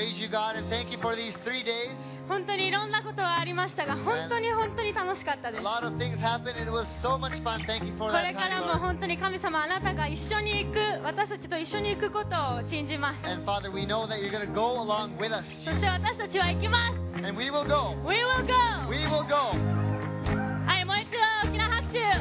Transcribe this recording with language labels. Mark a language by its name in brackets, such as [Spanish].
[English] God and thank you for these three days. [Japanese] 本当にいろんなことがありましたが、本当に本当に楽しかったです。 [English] A lot of things happened and it was so much fun. Thank you for that. [Japanese] これからも本当に神様、あなたが一緒に行く、私たちと一緒に行くことを信じます。 [English] And Father, we know that you're going to go along with us. [Japanese] そして私たちは行きます。 [English] And we will go. We will go. We will go. [Japanese] はい、もう一度大きな拍手。